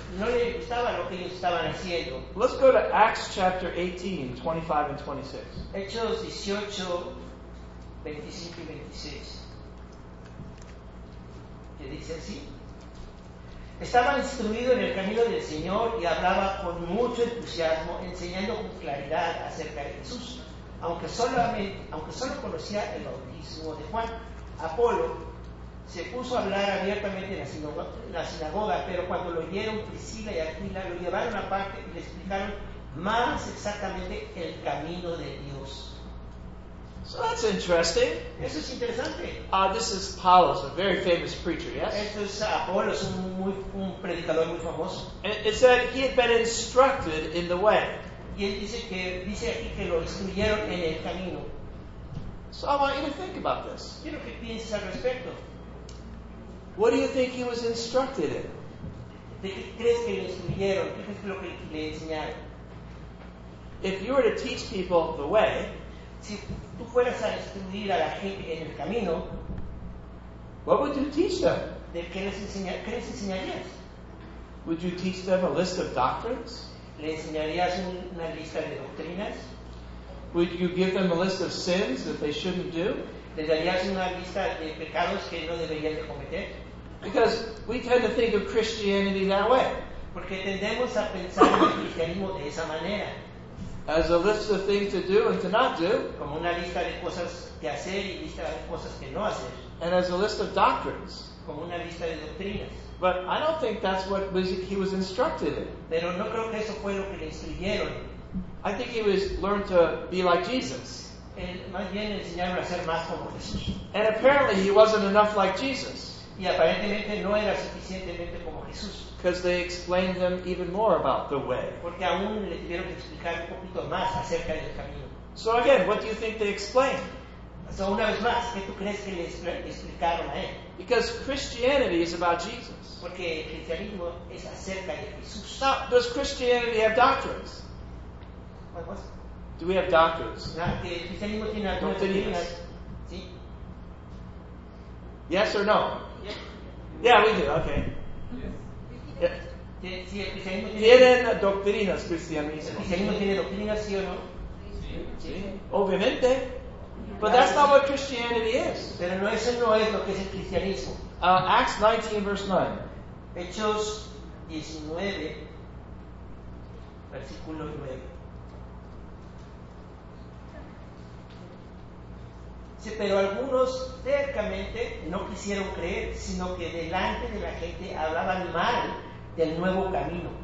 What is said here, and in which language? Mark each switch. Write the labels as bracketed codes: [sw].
[es] No le gustaba lo que ellos estaban haciendo. [en] Let's go to Acts chapter 18, 25 and 26. [es] Hechos 18, 25 y 26. Que dice así. Estaba instruido en el camino del Señor y hablaba con mucho entusiasmo, enseñando con claridad acerca de Jesús, aunque solo conocía el bautismo de Juan. Apolo se puso a hablar abiertamente en la sinagoga, pero cuando lo oyeron Priscila y Aquila, lo llevaron aparte y le explicaron más exactamente el camino de Dios. [en] So that's interesting. [es] Eso es interesante. [en] This is Apollos, a very famous preacher, yes? [es] Esto es Apollos, un predicador muy famoso. [en] It said he had been instructed in the way. [es] Y él dice aquí que lo instruyeron en el camino. [en] So I want you to think about this. [es] Quiero que pienses al respecto. [en] What do you think he was instructed in? [es] ¿De qué crees que lo instruyeron? ¿Qué es lo que le enseñaron? [en] If you were to teach people the way, [es] si tú fueras a instruir a la gente en el camino, [en] what would you teach them? [es] ¿De qué les enseñarías? [en] Would you teach them a list of doctrines? [es] ¿Le enseñarías una lista de doctrinas? [en] Would you give them a list of sins that they shouldn't do? [es] ¿Le darías una lista de pecados que no deberían de cometer? [en] Because we tend to think of Christianity that way. [es] Porque tendemos a pensar en el cristianismo de esa manera. [en] As a list of things to do and to not do. [es] Como una lista de cosas que hacer y lista de cosas que no hacer. [en] And as a list of doctrines. [es] Como una lista de doctrinas. [en] But I don't think that's what he was instructed in. [es] Pero no creo que eso fue lo que le instruyeron. [en] I think he was learned to be like Jesus. [es] El, más bien enseñaron a ser más como Jesús. [en] And apparently he wasn't enough like Jesus. [es] Y aparentemente no era suficientemente como Jesús. [en] Because they explained him even more about the way. [es] Porque aún le tuvieron que explicar un poquito más acerca del camino. [en] So again, what do you think they explained? [es] So una vez más, ¿qué tú crees que le explicaron a él? [en] Because Christianity is about Jesus. [es] Porque el cristianismo es acerca de Jesús. [en] Now, does Christianity have doctrines? What was? Do we have doctrines? [es] El cristianismo tiene algunas doctrinas. Sí. [en] Yes or no? Yes. Yeah, we do. Okay. Yes. Yeah. [es] Sí, el cristianismo tiene. ¿Tienen doctrinas cristianismo? El cristianismo tiene doctrinas, sí o no? Sí. Sí. Obviamente. [en] But that's not what Christianity is. [es] Pero no, eso no es lo que es el cristianismo. [en] Acts 19, verse 9. [es] Hechos 19, versículo 9. Dice, pero algunos cercamente no quisieron creer, sino que delante de la gente hablaban mal del nuevo camino.